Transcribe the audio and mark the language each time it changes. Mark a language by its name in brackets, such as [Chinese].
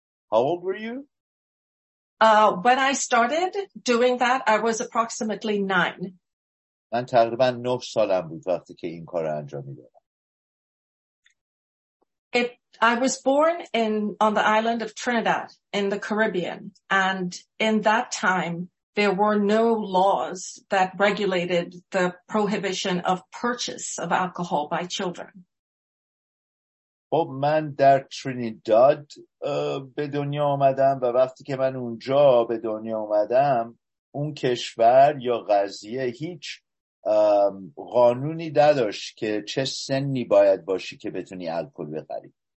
[English] How old were you? When I started doing that, I was approximately 9. [Persian] من تقریبا 9 سالم بود وقتی که این کار را انجام میدادم. [English] I was born on the island of Trinidad in the Caribbean, and in that time there were no laws that regulated the prohibition of purchase of alcohol by children. [Persian] خب من در ترینیداد به دنیا آمدم و وقتی که من اونجا به دنیا آمدم اون کشور یا قضیه هیچ قانونی نداشت که چه سنی باید باشی که بتونی الکل بخری.